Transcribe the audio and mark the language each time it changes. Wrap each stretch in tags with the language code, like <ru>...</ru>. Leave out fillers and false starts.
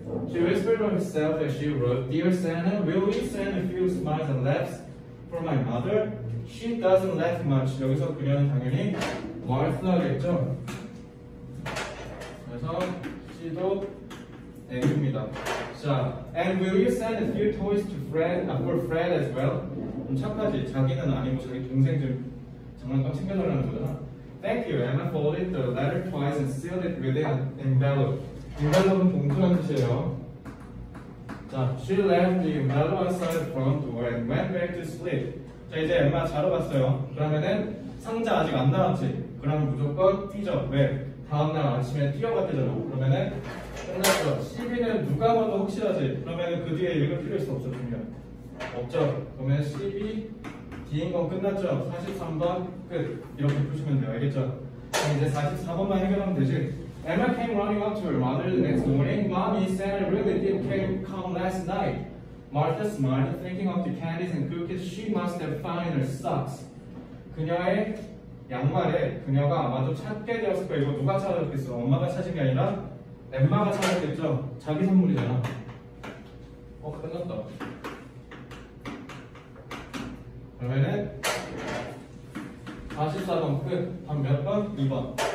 <en>She whispered to herself as she wrote, Dear Santa, will you send a few smiles and laughs for my mother? She doesn't laugh much.</en> <ko>여기서 그녀는 당연히 Martha겠죠? 그래서 C도 M입니다.</ko> <en>자, and will you send a few toys to Fred, for Fred as well?</en> <ko>좀 착하지. 자기는 아니고 자기 동생 좀 장난감 챙겨달라는 거잖아.</ko> <en>Thank you. Emma folded the letter twice and sealed it with an envelope.</en> <ko>Envelope은 봉투란 뜻이에요.</ko> <en>자, she left the envelope outside the front door and went back to sleep.</en> <ko>자, 이제 엠마 자러 갔어요. 그러면은 상자 아직 안 나왔지. 그러면 무조건 뛰죠. 왜? 다음날 아침에 뛰어갔대잖아. 그러면은 끝났죠. CB는 누가 봐도 확실하지. 그러면은 그 뒤에 읽을 필요 있어 없죠, 분명. 없죠. 그러면 CB, D인 건 끝났죠. 43번 끝. 이렇게 푸시면 돼요. 알겠죠? 그럼 이제 44번만 해결하면 되지.</ko> <en>Emma came running up to her mother the next morning. Mommy, Santa really did come last night. Martha smiled, thinking of the candies and cookies she must have found in her socks.</en> <ko>그녀의 양말에 그녀가 아마도 찾게 되었을 거예요. 이거 누가 찾았겠어? 엄마가 찾은 게 아니라 엠마가 찾았겠죠? 자기 선물이잖아. 어, 끝났다. 그러면은 44번 끝. 한 몇 번? 2번.</ko>